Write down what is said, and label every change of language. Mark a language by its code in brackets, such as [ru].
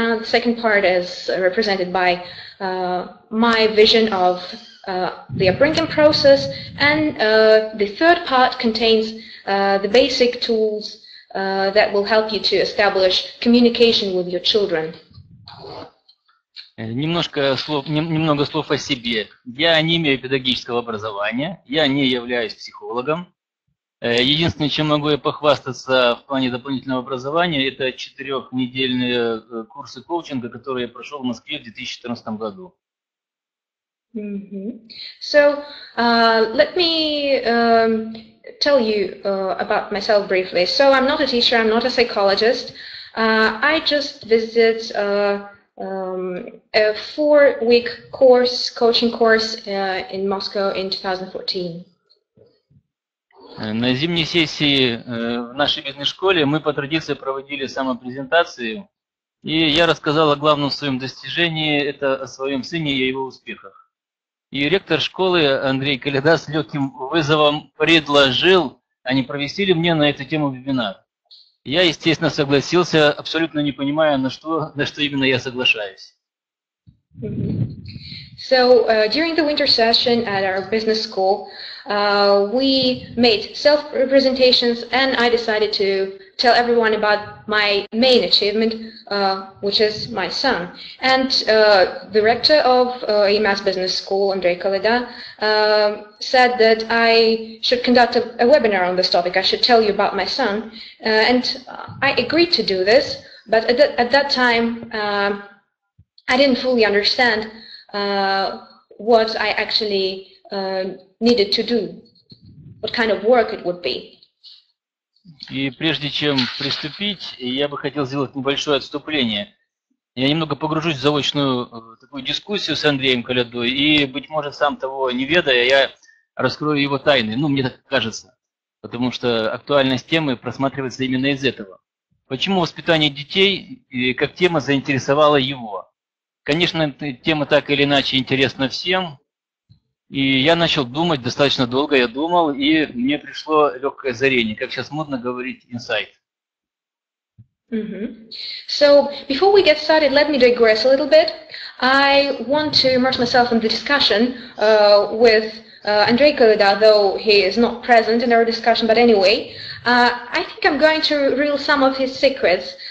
[en] The second part is represented by my vision of the upbringing process. And the third part contains the basic tools that will help you to establish communication with your children. [ru] Немного слов о себе. Я не имею педагогического образования, я не являюсь психологом. Единственное, чем могу я похвастаться в плане дополнительного образования, это 4-недельные курсы коучинга, которые я прошел в Москве в 2014 году. [en] So, let me tell you about myself briefly. So, I'm not a teacher, I'm not a psychologist. I just visited a 4-week course, coaching course in Moscow in 2014. [ru] На зимней сессии в нашей бизнес-школе мы по традиции проводили самопрезентацию, и я рассказал о главном своем достижении, это о своем сыне и о его успехах. И ректор школы Андрей Каледа с легким вызовом предложил, а не провести ли мне на эту тему вебинар. Я, естественно, согласился, абсолютно не понимая, на что именно я соглашаюсь. [en] So, during the winter session at our business school, we made self-presentations and I decided to tell everyone about my main achievement, which is my son. And the rector of EMAS Business School, Andrei Kaleda, said that I should conduct a webinar on this topic. I should tell you about my son. And I agreed to do this, but at that time, I didn't fully understand what I actually needed to do, what kind of work it would be. [ru] И прежде чем приступить, я бы хотел сделать небольшое отступление. Я немного погружусь в заочную такую дискуссию с Андреем Каледой, и, быть может, сам того не ведая, я раскрою его тайны. Ну, мне так кажется, потому что актуальность темы просматривается именно из этого. Почему воспитание детей как тема заинтересовала его? Конечно, тема так или иначе интересна всем. И я начал думать, достаточно долго я думал, и мне пришло легкое озарение, как сейчас модно говорить, инсайт. [en] So, before we get started, let me digress a little bit. I want to immerse myself in the discussion with Andrei Kalida, though he is not present in our discussion, but anyway, I think I'm going to reveal some of his secrets.